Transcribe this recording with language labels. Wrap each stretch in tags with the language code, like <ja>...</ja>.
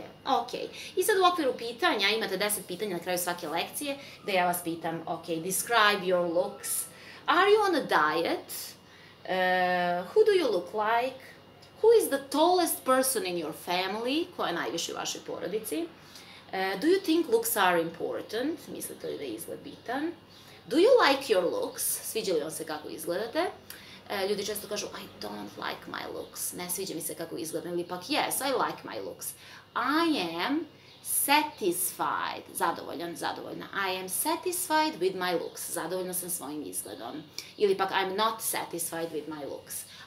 <sr>Ok, i sad u okviru pitanja, imate 10 pitanja na kraju svake lekcije, da ja vas pitam, ok,</sr> <en>describe your looks, are you on a diet? Who do you look like? Who is the tallest person in your family?</en> <sr>Koja je najviše u vašoj porodici?</sr> <en>Do you think looks are important?</en> <sr>Mislite li da je izgled bitan?</sr> <en>Do you like your looks?</en> <sr>Sviđa li vam se kako izgledate? Ljudi često kažu,</sr> <en>I don't like my looks.</en> <sr>Ne sviđa mi se kako izgledam. Ili pak,</sr> <en>yes, I like my looks. I am satisfied,</en> <sr>zadovoljan, zadovoljna.</sr> <en>I am satisfied with my looks,</en> <sr>zadovoljna sam svojim izgledom. Ili pak,</sr> <en>I'm not satisfied with my looks.</en>